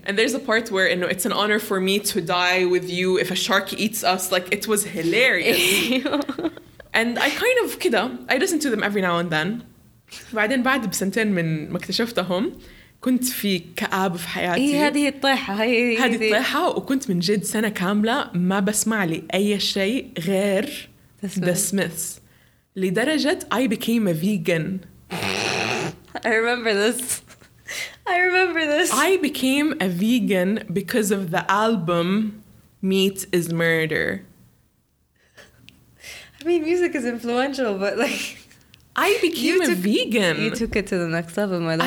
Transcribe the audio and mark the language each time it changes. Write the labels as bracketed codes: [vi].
[en] and there's a part where you know, it's an honor for me to die with you if a shark eats us like it was hilarious. And I kind of [ar] كده [en] I listen to them every now and then. [ar] بعدين بعد بسنتين من ما اكتشفتهم كنت في كآب في حياتي. إيه هذه الطيحة هاي. هذه الطيحة وكنت من جد سنة كاملة ما بسمع لي أي شيء غير The Smiths لدرجة [en] I became a vegan. I remember this. I became a vegan because of the album Meat is Murder. I mean, music is influential, but like... I became a vegan. You took it to the next level, my love.